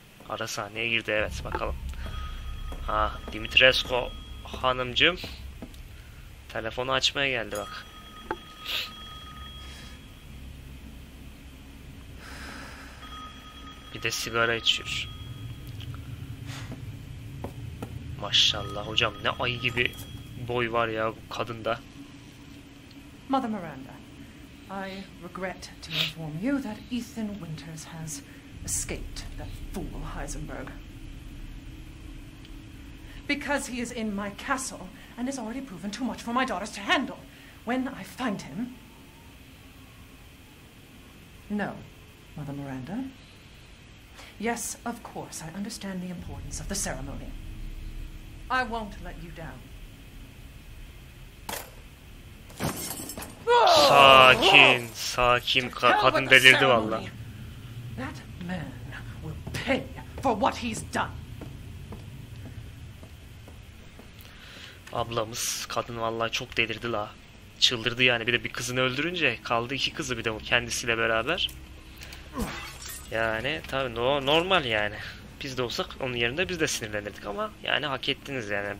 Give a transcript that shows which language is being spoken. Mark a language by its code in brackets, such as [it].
[tr] Ara sahneye girdi, evet bakalım. Ha, Dimitrescu hanımcım telefonu açmaya geldi bak. Bir de sigara içiyor. Maşallah hocam, ne ayı gibi boy var ya bu kadında. [en] Mother Miranda, I regret to inform you that Ethan Winters has escaped that fool Heisenberg. Because he is in my castle and has already proven too much for my daughters to handle. When I find him. No, Mother Miranda. Yes, of course, I understand the importance of the ceremony. I won't let you down. [tr] Sakin, sakin. Kadın delirdi vallahi. [en] That man for what he's done. [tr] Ablamız, kadın vallahi çok delirdi la. Çıldırdı yani, bir de bir kızını öldürünce kaldı iki kızı bir de o kendisiyle beraber. Yani tabii normal yani. Biz de olsak onun yerinde biz de sinirlenirdik ama yani hak ettiniz yani.